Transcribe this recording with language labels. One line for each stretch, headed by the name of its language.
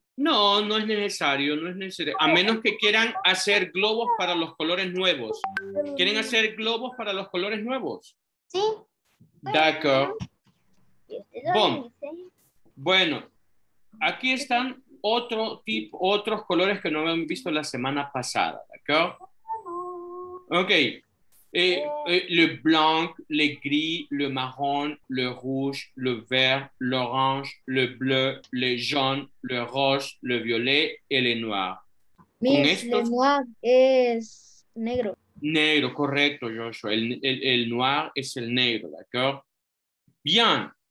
Spanish: No, no es necesario, no es necesario. A menos que quieran hacer globos para los colores nuevos. ¿Quieren hacer globos para los colores nuevos? Sí.
French: D'accord. Bom.
Spanish: Bueno, aquí están otro tipo, otros colores que no habían visto la semana pasada. ¿D'accord? Ok.
French: Le blanc, le gris, le marrón, le rouge, le vert, l'orange, le bleu, le jaune, le rose, le violet et le noir.
Spanish: Miss, le noir es negro. Negro, correcto, Joshua. El noir es el negro, ¿d'accord? Bien.